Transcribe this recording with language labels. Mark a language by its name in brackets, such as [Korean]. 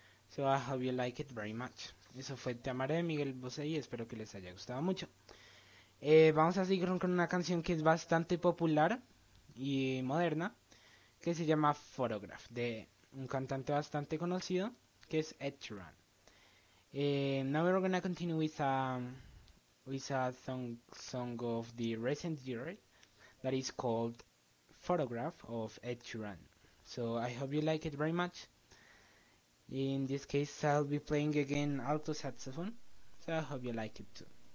[English] So I hope you like it very much. [Spanish] Eso fue Te Amaré de Miguel Bosé y espero que les haya gustado mucho. Vamos a seguir con una canción que es bastante popular y moderna, que se llama Photograph, de un cantante bastante conocido, que es Ed Sheeran. [English] Now we're gonna continue with a song of the recent year that is called Photograph of Ed Sheeran. So I hope you like it very much. In this case, I'll be playing again alto saxophone, so I hope you like it too.